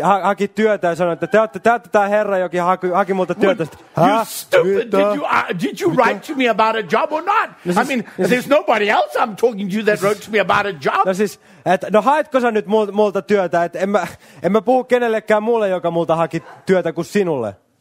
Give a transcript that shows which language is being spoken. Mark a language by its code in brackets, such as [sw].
[fi] Haki työtä ja sanoi, että te olette tämä herra, joka haki multa työtä. [en] You stupid! Did you write to me about a job or not? [fi] No siis, [en] I mean, there's nobody else I'm talking to that wrote to me about a job. [fi] No siis, haetko sä nyt multa työtä? Että en mä puhu kenellekään muulle, joka multa haki työtä kuin sinulle.